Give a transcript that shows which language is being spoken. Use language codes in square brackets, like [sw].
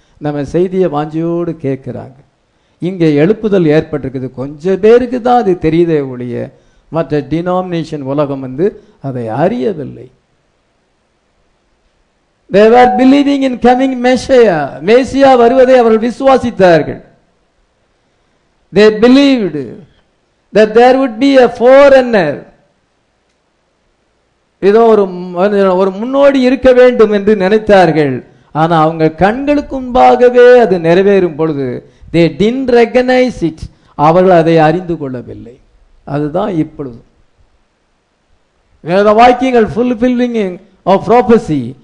[ta] நம்ம செய்தியை வாஞ்சியோடு கேட்கிறாங்க. இங்கே எழுப்புதல் ஏற்பட்டிருக்குது. கொஞ்சம் பேருக்கு தான் அது தெரியுதே ஒழிய மற்ற டினாமினேஷன் உலகம் வந்து அதை அறியவில்லை. [en] They were believing in coming Messiah. Messiah [ta] வருவதை அவர்கள் விசுவாசித்தார்கள். [en] They believed that there would be a forerunner. [ta] இதோ ஒரு முன்னோடி இருக்க வேண்டும் என்று நினைத்தார்கள். ஆனால் அவங்க கண்களுக்கு முன்பாகவே அது நிறைவேறும் பொழுது [en] They didn't recognize it. [ta] அவர்கள் அதை அறிந்து கொள்ளவில்லை. அதுதான் இப்பொழுது வேத வாக்கியங்கள் [en] fulfilling of prophecy.